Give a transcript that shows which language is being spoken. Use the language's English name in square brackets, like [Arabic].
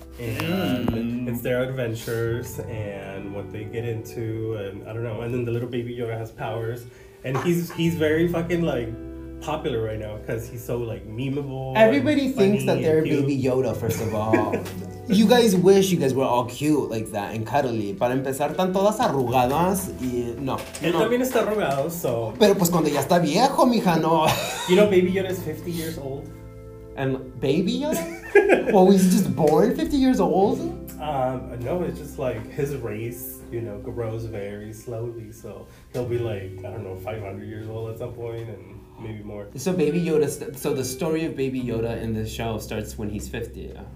[English] And it's their adventures and what they get into, and I don't know. And then the little baby Yoda has powers, and he's very fucking like popular right now because he's so like memeable. Everybody thinks that they're baby Yoda, first of all. You guys wish you guys were all cute like that and cuddly. [Spanish] Para empezar, están todas arrugadas y no. Él también está arrugado, so. Pero pues cuando ya está viejo, mija, no. [English] You know, baby Yoda is 50 years old. And baby Yoda? Well, he's just born 50 years old? No, it's just like his race you know, grows very slowly. So he'll be like, I don't know, 500 years old at some point, and maybe more. So Baby Yoda, so the story of Baby Yoda in the show starts when he's 50.